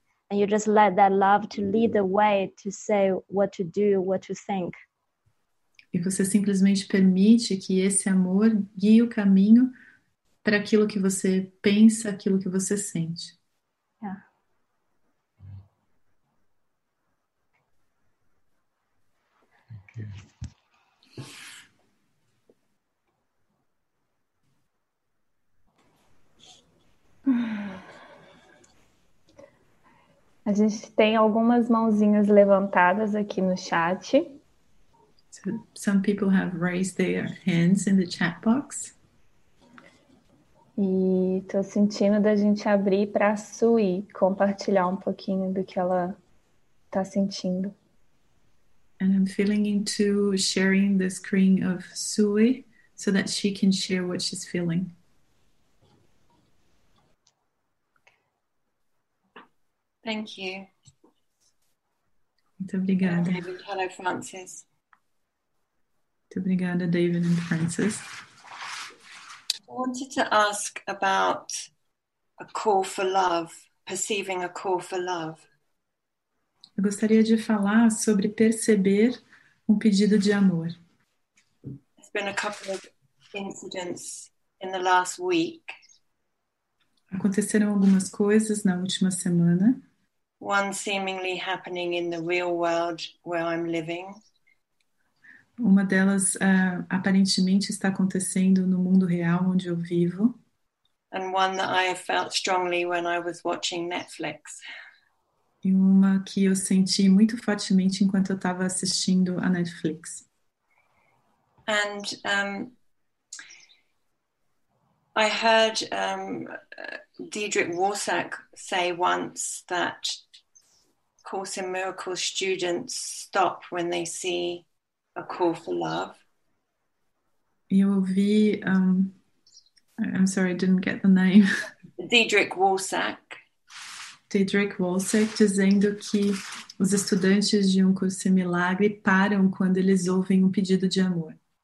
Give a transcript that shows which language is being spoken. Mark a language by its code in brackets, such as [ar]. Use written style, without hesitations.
[en] And you just let that love to lead the way to say what to do, what to think. [pt] E você simplesmente permite que esse amor guie o caminho para aquilo que você pensa, aquilo que você sente. A gente tem algumas mãozinhas levantadas aqui no chat. [en] So, some people have raised their hands in the chat box. [pt] E tô sentindo da gente abrir para a Sui compartilhar um pouquinho do que ela tá sentindo. [en] And I'm feeling into sharing the screen of Sui so that she can share what she's feeling. Thank you. [pt] Muito obrigada. [en] Hello, Francis. [pt] Muito obrigada, David and Francis. [en] I wanted to ask about a call for love, perceiving a call for love. [pt] Eu gostaria de falar sobre perceber um pedido de amor. [en] There's been a couple of incidents in the last week. [pt] Aconteceram algumas coisas na última semana. [en] One seemingly happening in the real world where I'm living. [pt] Uma delas aparentemente está acontecendo no mundo real onde eu vivo. [en] And one that I felt strongly when I was watching Netflix. [pt] E uma que eu senti muito fortemente enquanto eu estava assistindo a Netflix. [en] And I heard Diedrich Warsak say once that Course in Miracles students stop when they see a call for love. [pt] Eu ouvi, [en] I'm sorry, I didn't get the name. [pt] Diedrich Warsak. Diedrich Warsak dizendo que os estudantes de um curso em milagre param quando eles ouvem um pedido de amor.